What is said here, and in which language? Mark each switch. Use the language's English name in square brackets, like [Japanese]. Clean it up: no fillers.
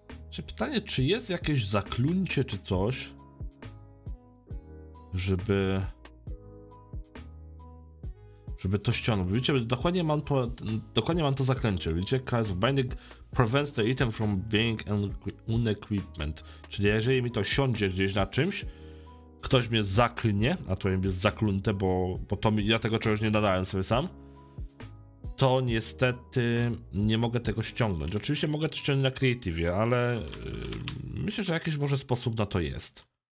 [Polish] Czy pytanie, czy jest jakieś zaklęcie czy coś, żeby to ściągnąć. Widzicie, dokładnie mam to zaklęcie. Widzicie, [English] Curse of Binding prevents the item from being unequipment. [Polish] Czyli jeżeli mi to siądzie gdzieś na czymś, ktoś mnie zaklnie, a to jest zaklęte, bo to mi, ja tego czegoś nie nadałem sobie sam, to niestety nie mogę tego ściągnąć. Oczywiście mogę to ściągnąć na creative, ale myślę, że jakiś może sposób na to jest.